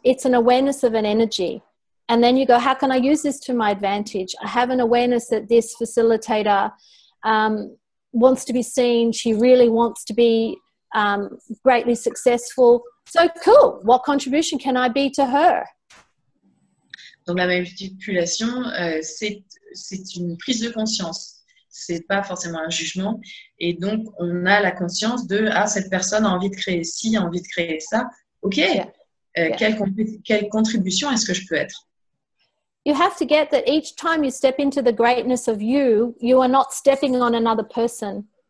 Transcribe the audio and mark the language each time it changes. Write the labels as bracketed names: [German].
[English] It's an awareness of an energy. And then you go, how can I use this to my advantage? I have an awareness that this facilitator wants to be seen. She really wants to be greatly successful. So cool. What contribution can I be to her? [French] Donc la manipulation, c'est une prise de conscience. C'est pas forcément un jugement. Et donc on a la conscience de ah, cette personne a envie de créer ci, a envie de créer ça. Ok. Yeah. Quelle contribution est-ce que je peux être? [English] You have to get that each time you step into the greatness of you, you are not stepping on another person.